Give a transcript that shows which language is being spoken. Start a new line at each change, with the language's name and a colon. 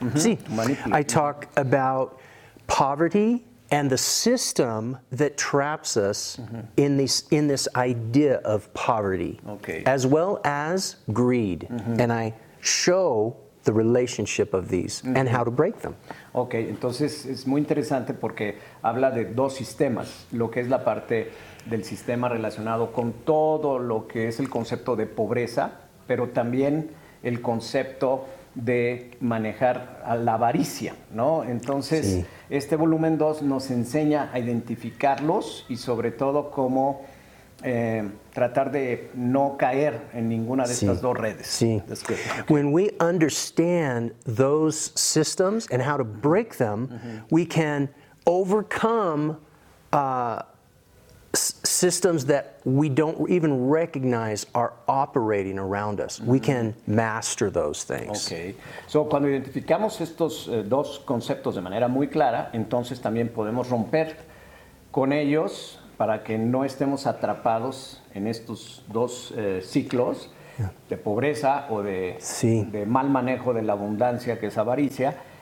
Spanish: Sí.
English: I talk about poverty and the system that traps us in this idea of poverty, as well as greed, and I show the relationship of these and how to break them.
Spanish: Okay, entonces es muy interesante porque habla de dos sistemas, lo que es la parte del sistema relacionado con todo lo que es el concepto de pobreza, pero también el concepto de manejar a la avaricia, ¿no? Entonces, este volumen 2 nos enseña a identificarlos y sobre todo cómo tratar de no caer en ninguna de estas dos redes.
English: Sí. That's good. Okay. When we understand those systems and how to break them, we can overcome systems that we don't even recognize are operating around us. We can master those things. Okay.
Spanish: So, cuando identificamos estos dos conceptos de manera muy clara, entonces también podemos romper con ellos para que no estemos atrapados en estos dos ciclos de pobreza o de, de mal manejo de la abundancia, que es avaricia.